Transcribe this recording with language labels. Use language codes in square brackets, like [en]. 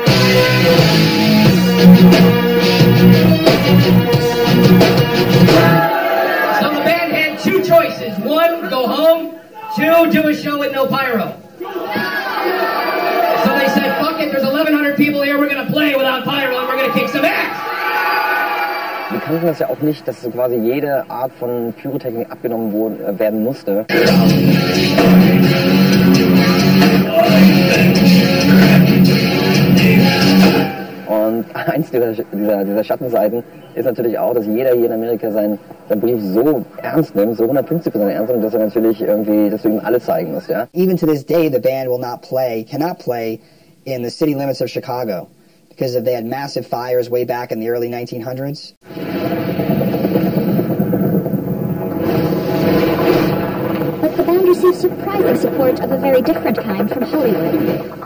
[en] So the band had two choices. One, go home. Two, do a show with no pyro. So they said, fuck it, there's 1,100 people here. We're going to play without pyro and we're going to kick some ass. [de] Wir kannten das ja auch nicht, dass quasi jede Art von Pyrotechnik abgenommen werden musste. Und eins dieser Schattenseiten ist natürlich auch, dass jeder hier in Amerika seinen Brief so ernst nimmt, so 150% ernst nimmt, dass er natürlich irgendwie, dass du ihm alles zeigen musst, ja? [en] Even to this day, the band will not play, cannot play in the city limits of Chicago. Because they had massive fires way back in the early 1900s. But the band received surprising support of a very different kind from Hollywood.